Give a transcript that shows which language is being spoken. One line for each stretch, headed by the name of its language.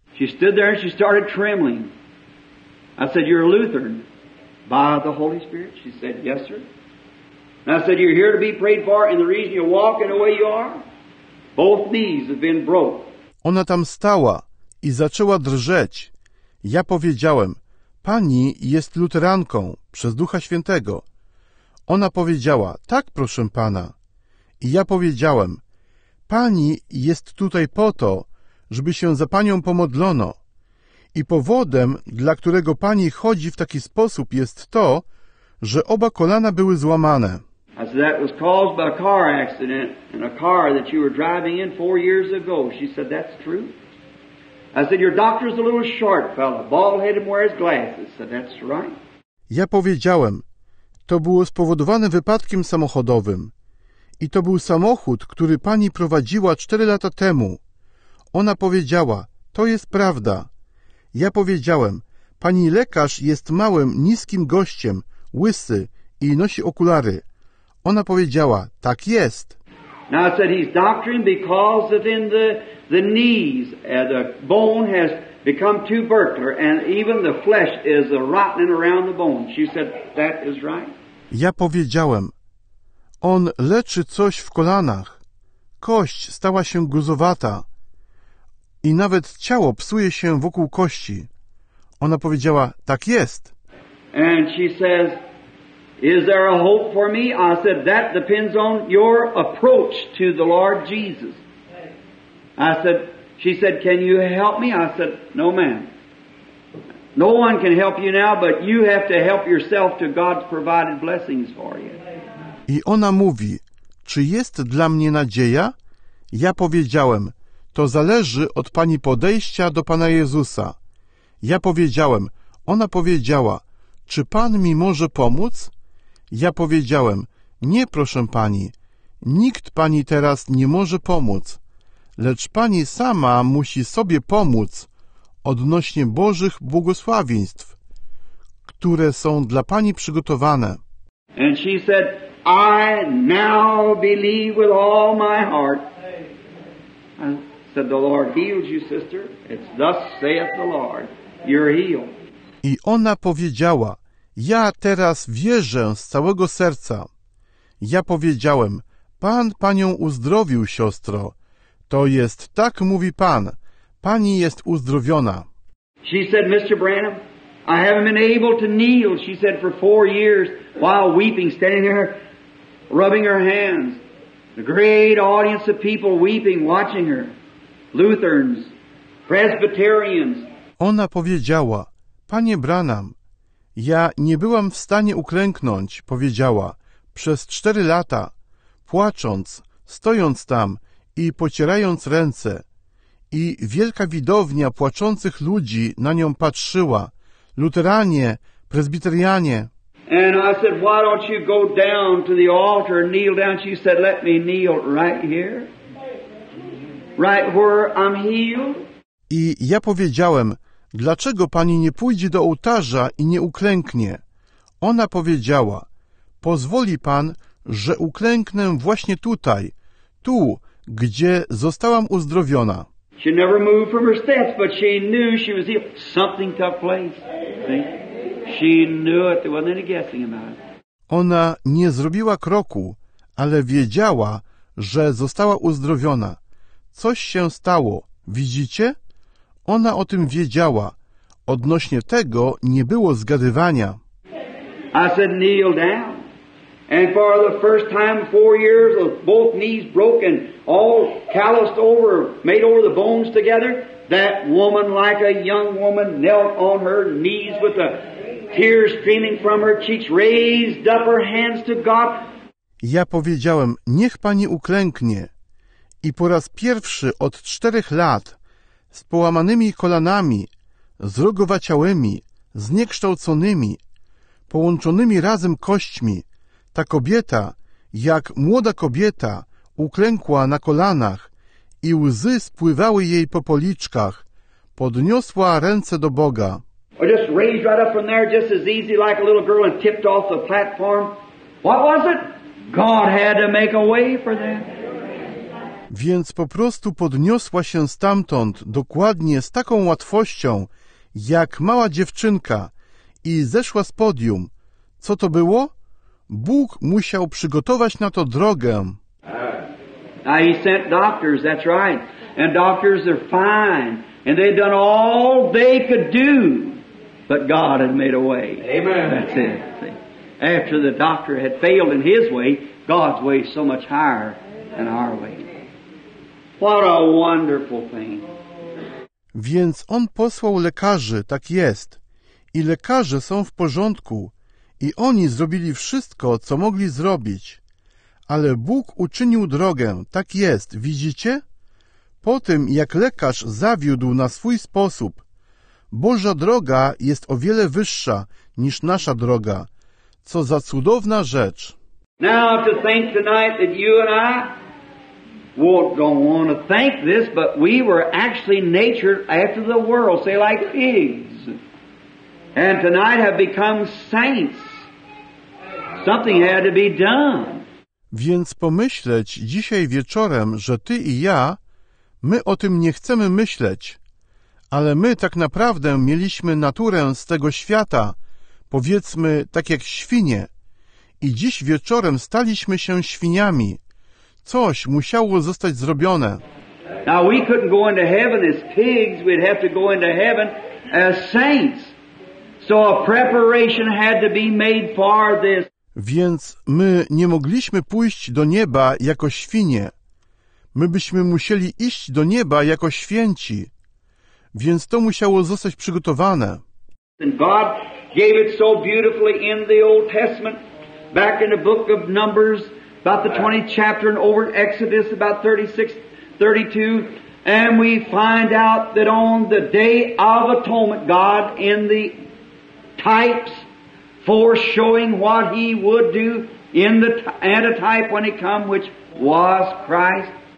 English: She stood there and she started trembling. I said, you're a Lutheran by the Holy Spirit? She said, yes, sir. And I said, you're here to be prayed for, and the reason you're walking the way you are? Both knees have been broke.
Polish: Ona tam stała i zaczęła drżeć. Ja powiedziałem, pani jest luteranką przez Ducha Świętego. Ona powiedziała, tak, proszę pana. I ja powiedziałem, pani jest tutaj po to, żeby się za panią pomodlono. I powodem, dla którego pani chodzi w taki sposób, jest to, że oba kolana były złamane.
English: I said, that was caused by a car accident and a car that you were driving in 4 years ago. She said, that's true. I said, your doctor's a little short fella, bald-headed and wears glasses. So that's right.
Polish: Ja powiedziałem, to było spowodowane wypadkiem samochodowym. I to był samochód, który pani prowadziła 4 lata temu. Ona powiedziała, to jest prawda. Ja powiedziałem, pani lekarz jest małym, niskim gościem, łysy i nosi okulary. Ona powiedziała, tak jest.
English: Now I said, he's doctoring because of in the knees, the bone has become tubercular and even the flesh is rotting around the bone. She said, that is right.
Polish: Ja powiedziałem, on leczy coś w kolanach. Kość stała się guzowata i nawet ciało psuje się wokół kości. Ona powiedziała, tak jest.
English: And she says, is there a hope for me? I said, that depends on your approach to the Lord Jesus. I said, she said, can you help me? I said, no, ma'am. No one can help you now, but you have to help yourself to God's provided blessings for you.
Polish: I ona mówi, czy jest dla mnie nadzieja? Ja powiedziałem, to zależy od pani podejścia do Pana Jezusa. Ja powiedziałem, ona powiedziała, czy pan mi może pomóc? Ja powiedziałem, nie, proszę pani, nikt pani teraz nie może pomóc, lecz pani sama musi sobie pomóc odnośnie Bożych błogosławieństw, które są dla pani przygotowane.
English: And she said, I now believe with all my heart. I said, the Lord heals you, sister. It's thus saith the Lord, you're healed.
Polish: I ona powiedziała, ja teraz wierzę z całego serca. Ja powiedziałem, pan panią uzdrowił, siostro. To jest tak, mówi pan, pani jest uzdrowiona.
English: She said, Mr. Branham, I haven't been able to kneel, she said, for 4 years while weeping, standing there, rubbing her hands. The great audience of people weeping, watching her. Lutherans, Presbyterians.
Polish: Ona powiedziała, panie Branham, ja nie byłam w stanie uklęknąć, powiedziała, przez 4 lata, płacząc, stojąc tam i pocierając ręce. I wielka widownia płaczących ludzi na nią patrzyła, luteranie, prezbiterianie.
English: And I said, why don't you go down to the altar and kneel down? She said, let me kneel right here, right where I'm healed.
Polish: I ja powiedziałem, dlaczego pani nie pójdzie do ołtarza i nie uklęknie? Ona powiedziała, pozwoli pan, że uklęknę właśnie tutaj, tu, gdzie zostałam uzdrowiona.
English: She never moved from her steps, but she knew she was healed. Something took place. She knew it. There wasn't any guessing about it.
Polish: Ona nie zrobiła kroku, ale wiedziała, że została uzdrowiona. Coś się stało, widzicie? Ona o tym wiedziała. Odnośnie tego nie było zgadywania.
English: I said, kneel down. And for the first time in 4 years, both knees broken, all calloused over, made over the bones together, that woman, like a young woman, knelt on her knees with the tears streaming from her cheeks, raised up her hands to God.
Polish: Ja powiedziałem, niech pani uklęknie. I po raz pierwszy od 4 lat, z połamanymi kolanami, zrogowaciałymi, zniekształconymi, połączonymi razem kośćmi, ta kobieta, jak młoda kobieta uklękła na kolanach i łzy spływały jej po policzkach, podniosła ręce do Boga.
English: Or just raised right up from there, just as easy like a little girl, and tipped off the platform. What was it? God had to make a way for them.
Polish: Więc po prostu podniosła się stamtąd dokładnie z taką łatwością, jak mała dziewczynka, i zeszła z podium. Co to było? Bóg musiał przygotować na to drogę.
English: Now he sent doctors, that's right. And doctors are fine. And they've done all they could do. But God had made a way. Amen. That's it. See? After the doctor had failed in his way, God's way is so much higher than our way. What a wonderful thing.
Polish: Więc on posłał lekarzy, tak jest. I lekarze są w porządku. I oni zrobili wszystko, co mogli zrobić. Ale Bóg uczynił drogę, tak jest, widzicie? Po tym, jak lekarz zawiódł na swój sposób, Boża droga jest o wiele wyższa niż nasza droga. Co za cudowna rzecz.
English: Now to think tonight that you and I won't don't want to think this, but we were actually natured after the world, say like pigs. And tonight have become saints. Something had to be done.
Polish: Więc pomyśleć dzisiaj wieczorem, że ty i ja, my o tym nie chcemy myśleć, ale my tak naprawdę mieliśmy naturę z tego świata, powiedzmy tak jak świnie, i dziś wieczorem staliśmy się świniami. Coś musiało zostać zrobione.
English: Now we couldn't go into heaven as pigs, we'd have to go into heaven as saints. So a preparation had to be made for this.
Polish: Więc my nie mogliśmy pójść do nieba jako świnie. My byśmy musieli iść do nieba jako święci. Więc to musiało zostać przygotowane.
English: And God gave it so beautifully in the Old Testament, back in the book of Numbers, about the 20th chapter, and over in Exodus, about 36, 32. And we find out that on the day of atonement, God in the types, foreshowing what he would do in the antitype when he come, which was Christ.